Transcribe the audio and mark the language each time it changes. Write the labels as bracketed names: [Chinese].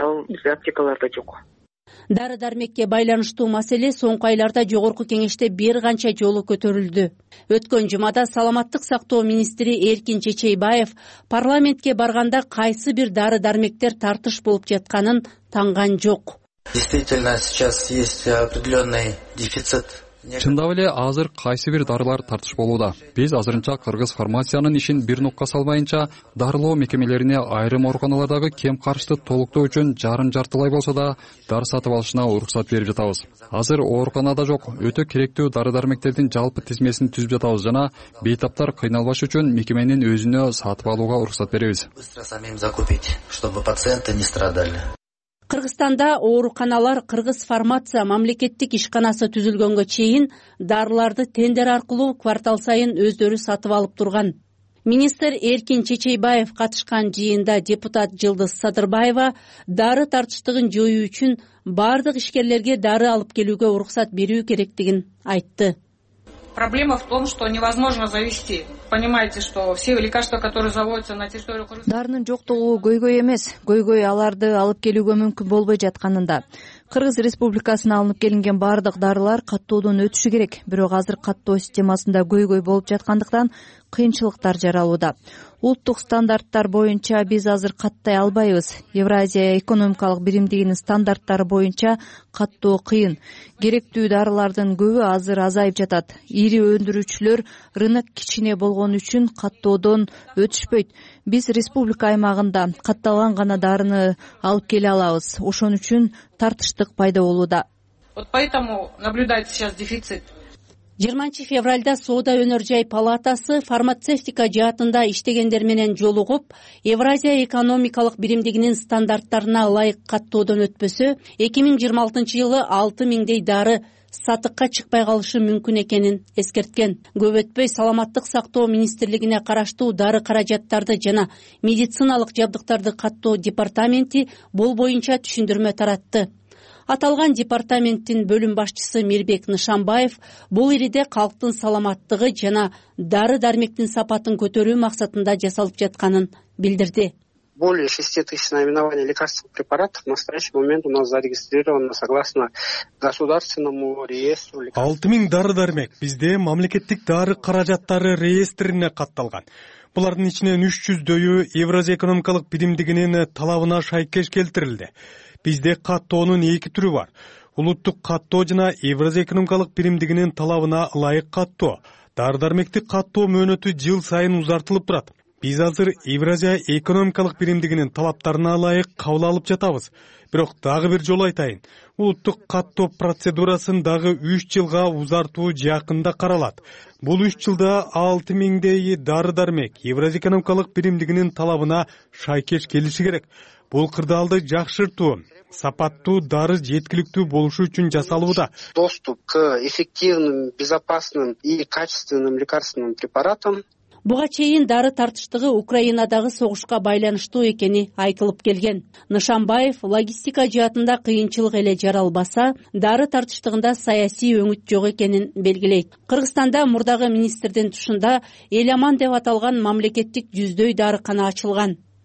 [Kyrgyz] Ал бизде аптекаларда жок. Дары дармекке байланыштуу маселе соңку айларда Жогорку Кеңеште бир канча жолу көтөрүлдү. Өткөн жумада саламаттык сактоо министри Эркин Чечейбаев парламентке барганда кайсы бир дары дармектер тартыш болуп жатканын таңган жок. [Russian] Действительно сейчас есть определенный дефицит. [Kyrgyz] Чындап эле азыр кайсы бир дарылар тартыш болууда. Биз азырынча кыргыз фармациянын ишин бир нукка салбайынча дарылоо мекемелерине айрым ооруканалардагы кем каршты толуктоо үчүн жарым жартылай болсо да дары сатып алышына уруксат берип жатабыз. Азыр ооруканада жок өтө керектүү дары дармектердин жалпы тизмесин түзүп жатабыз жана бейтаптар кыйналбаш үчүн мекеменин өзүнө сатып алууга уруксат беребиз. [Russian] Быстро самим закупить, чтобы пациенты не страдали. [Kyrgyz] Кыргызстанда ооруканалар Кыргыз фармация мамлекеттик ишканасы түзүлгөнгө чейин дарыларды тендер аркылуу квартал сайын өздөрү сатып алып турган. Министр Эркин Чечейбаев катышкан жыйында депутат Жылдыз Садырбаева дары тартыштыгын жоюу үчүн бардык ишкерлерге дары алып келүүгө уруксат берүү керектигин айтты. [Russian] Проблема в том, что невозможно завести. Понимаете, что все лекарства, которые заводятся на территорию Кыргызстана... [Kyrgyz] Дарынын жоктугу көйгөй эмес. Көйгөй аларды алып келүүгө мүмкүн болбой жатканында. Кыргыз Республикасына алынып келинген бардык дарылар каттоодон өтүшү керек. Бирок азыр каттоо системасында көйгөй болуп жаткандыктан кыйынчылыктар жаралууда. Улттук стандарттар боюнча биз азыр каттай албайбыз. Евразия экономикалык биримдигинин стандарттары боюнча каттоо кыйын. Керектүү дарылардын көбү азыр азайып жатат. Ири өндүрүүчүлөр рынок кичине болгон үчүн каттоодон өтүшпөйт. Биз республика аймагында катталган гана дарыны алып келе алабыз. Ошон үчүн тартыштык пайда болууда. [Russian] Вот поэтому наблюдается сейчас дефицит. [Kyrgyz] 20 февральда соода өнөр жай палатасы фармацевтика жаатында иштегендер менен жолугуп, Евразия экономикалык биримдигинин стандарттарына ылайык каттоодон өтпөсө, 2026 жылы 6000 дары сатыкка чыкпай калышы мүмкүн экенин эскерткен. Көп өтпөй саламаттык сактоо министрлигине караштуу дары каражаттарды жана медициналык жабдыктарды каттоо департаменти бул боюнча түшүндүрмө таратты. Аталган департаменттин бөлүм башчысы Мирбек Нышанбаев бул ириде калктын саламаттыгы жана дары-дармектин сапатын көтөрүү максатында жасалып жатканын билдирди. [Russian] Более 6000 наименований лекарственных препаратов в настоящий момент у нас зарегистрировано согласно государственному реестру. [Kyrgyz] 6000 дары-дармек бизде мамлекеттик дары каражаттары реестрине катталган. Булардын ичинен 300 Евразия экономикалык биримдигинин талабына шайкеш келтирилди. Бизде каттоонун эки түрү бар. Улуттук каттоо жана Евразия экономикалык биримдигинин талабына ылайык каттоо. Дары-дармектик каттоо мөөнөтү жыл сайын узартылып турат. Биз азыр Евразия экономикалык биримдигинин талаптарына ылайык кабыл алып жатабыз. Бирок дагы бир жолу айтайын. Улуттук каттоо процедурасын дагы 3 жылга узартуу жакында каралат. Бул 3 жылда 6000 дары-дармек Евразия экономикалык биримдигинин талабына шайкеш келиши керек. Бул кырдаалды жакшыртуу, сапаттуу дары жеткиликтүү болушу үчүн жасалууда. [Russian] Доступ к эффективным, безопасным и качественным лекарственным препаратам. [Kyrgyz] Буга чейин дары тартыштыгы Украинадагы согушка байланыштуу экени айтылып келген. Нышанбаев логистика жаатында кыйынчылык эле жаралбаса, дары тартыштыгында саясий өңүт жок экенин белгилейт. Кыргызстанда мурдагы министрдин тушунда Эляман деп аталган мамлекеттик жүздөй дарыкана ачылган.